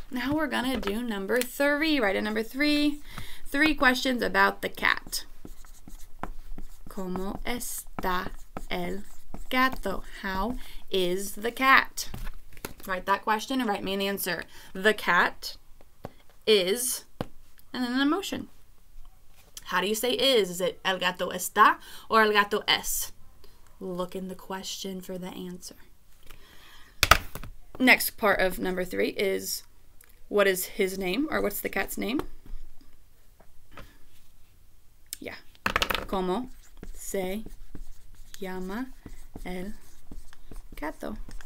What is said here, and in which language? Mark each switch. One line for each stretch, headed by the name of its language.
English: Now we're going to do number three. Write a number three. Three questions about the cat.
Spanish: ¿Cómo está el gato?
English: How is the cat? Write that question and write me an answer. The cat is, and then an emotion. How do you say is? Is it
Spanish: el gato está
English: or
Spanish: el gato es?
English: Look in the question for the answer. Next part of number three is, what is his name, or what's the cat's name?
Spanish: Yeah. ¿Cómo se llama el gato?